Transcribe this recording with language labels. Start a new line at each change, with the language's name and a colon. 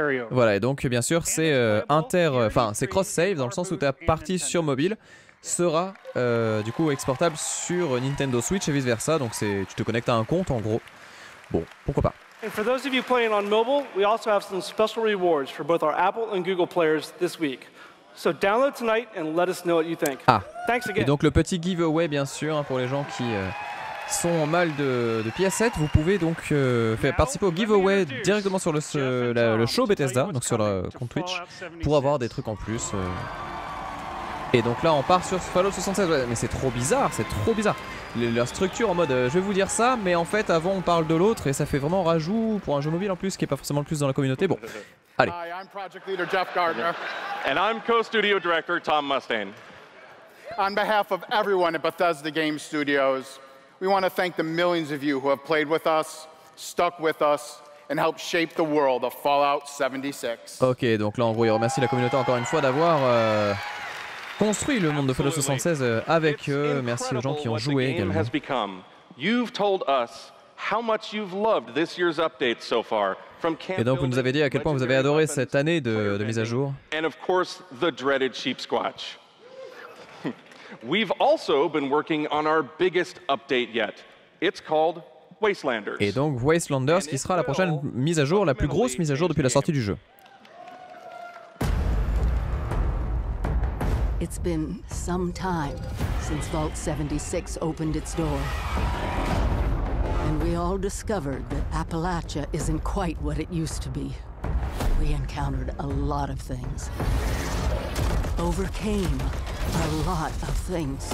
French: Voilà, et donc bien sûr c'est c'est cross-save dans le sens où ta partie sur mobile sera du coup exportable sur Nintendo Switch et vice-versa, donc c'est tu te connectes à un compte en gros. Bon, pourquoi pas.
English: And for those of you playing on mobile, we also have some special rewards for both our Apple and Google players this week. So download tonight and let us know what you think. Ah. Thanks again.
French: Et donc le petit giveaway bien sûr pour les gens qui sont en mal de PS7, vous pouvez donc participer au giveaway directement sur le show Bethesda, donc sur le compte Twitch, pour avoir des trucs en plus. Et donc là on part sur Fallout 76, ouais, mais c'est trop bizarre, c'est trop bizarre. Leur structure en mode je vais vous dire ça, mais en fait avant on parle de l'autre et ça fait vraiment rajout pour un jeu mobile en plus qui est pas forcément le plus dans la communauté. Bon, allez.
English: Hi, I'm project leader Jeff Gardner. And I'm co-studio director Tom Mustaine. On behalf of everyone at Bethesda Game Studios, we want to thank the millions of you who have played with us, stuck with us, and help shape the world of Fallout 76.
French: Ok, donc là en gros il remercie la communauté encore une fois d'avoir... construit le monde de Fallout 76 avec eux. Merci aux gens qui ont joué également.
English: You've told us how much you've loved this year's update so far.
French: Et donc vous nous avez dit à quel point vous avez adoré cette année de mise à jour.
English: And of course, the dreaded sheep squatch. We've also been working on our biggest update yet. It's called Wastelanders.
French: Et donc Wastelanders qui sera la prochaine mise à jour, la plus grosse mise à jour depuis la sortie du jeu.
English: It's been some time since Vault 76 opened its door. And we all discovered that Appalachia isn't quite what it used to be. We encountered a lot of things. Overcame a lot of things.